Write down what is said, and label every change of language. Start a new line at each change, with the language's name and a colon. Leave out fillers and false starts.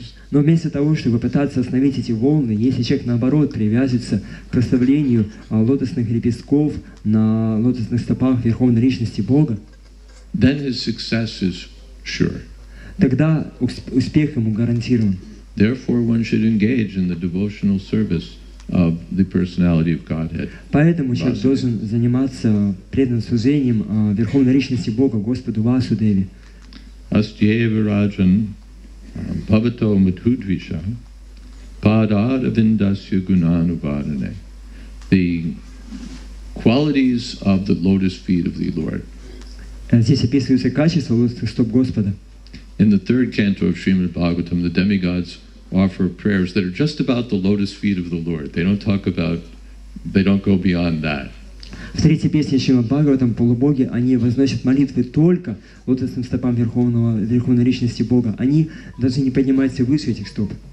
Russian: Но вместо того, чтобы пытаться остановить эти волны, если человек наоборот привязывается к прославлению лотосных лепестков на лотосных стопах Верховной Личности Бога,
English: then his success is sure.
Russian: Тогда успех ему гарантирован.
English: Therefore, one should engage in the devotional service of the personality of Godhead.
Russian: Поэтому человек должен заниматься преданным служением Верховной Личности Бога, Господу Васудеве.
Sanskrit: Astyeva Rajan Bhavato Madhudvisha Padara Vindasya Gunanubhadane.
English: The qualities of the lotus feet of the Lord.
Russian: Здесь описываются качества лотосных стоп Господа.
English: In the third canto of Srimad Bhagavatam, the demigods offer prayers that are just about the lotus feet of the Lord. They don't go beyond that.
Russian: В третьей песне Шримад Бхагаватам полубоги они возносят молитвы только лотосным стопам Верховной Личности Бога. Они даже не поднимаются выше этих стоп.